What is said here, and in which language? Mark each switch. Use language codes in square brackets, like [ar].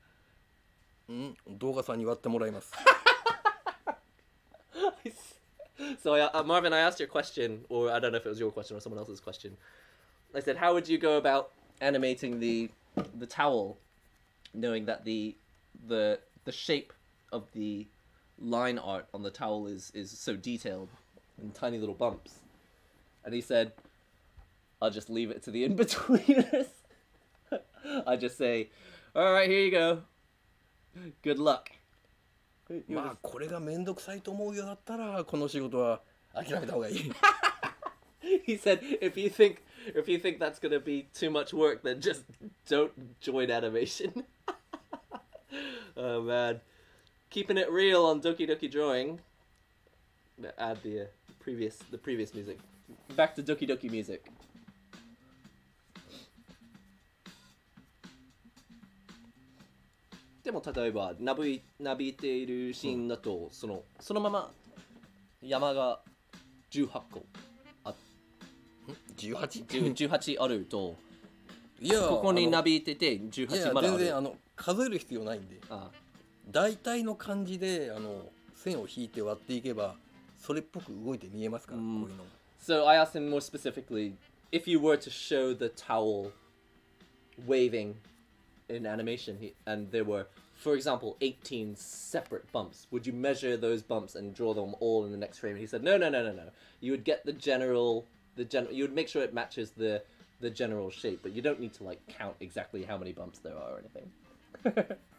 [ja] チャットの質問で、タオルの動きもアニメーション入れると、こういう曲がってる線はどうなりますか？動画さんに割ってもらいます。 [en] So Marvin, I asked your question, or I don't know if it was your question or someone else's question. I said, how would you go about animating the towel, knowing that the shape of the line art on the towel is so detailed and tiny little bumps? And he said, I'll just leave it to the in-betweeners. I just say, all right, here you go. Good luck. [ja] まあこれがめんどくさいと思うようだったらこの仕事は諦めた方がいい。 [en] He said, if you think that's gonna be too much work, then just don't join animation. Oh man. Keeping it real on Doki Doki Drawing. Add the previous music. Back to Doki Doki music. [ja] でも例えばなびいているシーンだと、うん、そのまま山が18あると、いや、ここになびいてて18まである。いや、全然数える必要ないんで、大体の感じで線を引いて割っていけばそれっぽく動いて見えますから、うん、こういうの。 [en] So I asked him more specifically, if you were to show the towel waving in animation and there were, for example, 18 separate bumps, would you measure those bumps and draw them all in the next frame? And he said, no, you would get the general, you would make sure it matches the general shape, but you don't need to like count exactly how many bumps there are or anything.